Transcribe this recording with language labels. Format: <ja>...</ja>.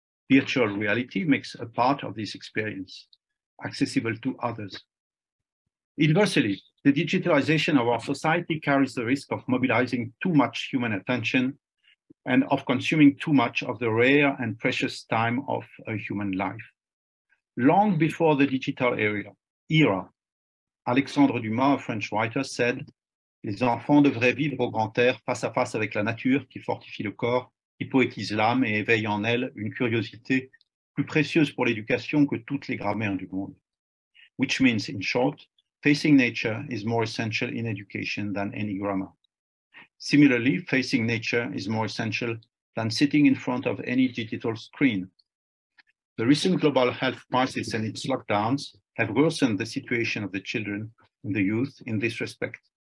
<en>Virtual reality makes a part of this experience, accessible to others. Inversely, the digitalization of our society carries the risk of mobilizing too much human attention and of consuming too much of the rare and precious time of a human life. Long before the digital era, Alexandre Dumas, a French writer, said,</en> <fr>"Les enfants devraient vivre au grand air face à face avec la nature qui fortifie le corps, qui poétise l'âme et éveille en elle une curiosité plus précieuse pour l'éducation que toutes les grammaires du monde."</fr> <en>Which means, in short, facing nature is more essential in education than any grammar. Similarly, facing nature is more essential than sitting in front of any digital screen. The recent global health crisis and its lockdowns have worsened the situation of the children and the youth in this respect.</en>